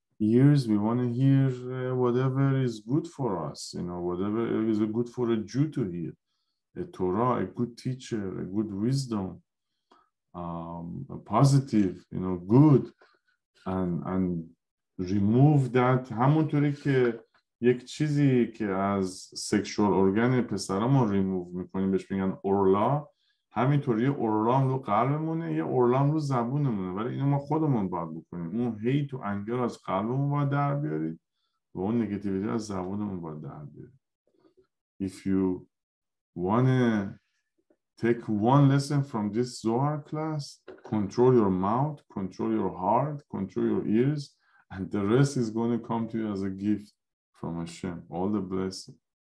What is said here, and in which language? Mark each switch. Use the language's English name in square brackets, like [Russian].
[English] Ears, we want to hear whatever is good for us, you know, whatever is good for a Jew to hear. A Torah, a good teacher, a good wisdom, a positive, you know, good, and remove that. [Persian] همونطوری که یک چیزی که از سکشوال ارگان پسرمون ریموو میکنیم بهش میگن اورلا، همینطوری اورلا هم رو قلبمونه، یه اورلا هم رو زبونمونه، ولی اینو ما خودمون باید بکنیم. اون هیت و انگر از قلبمون باید در بیارید و اون نگاتیویتی از زبونمون باید در بیارید. [English] If you want to take one lesson from this Zohar class, control your mouth, control your heart, control your ears, and the rest is going to come to you as a gift from Hashem, all the blessing.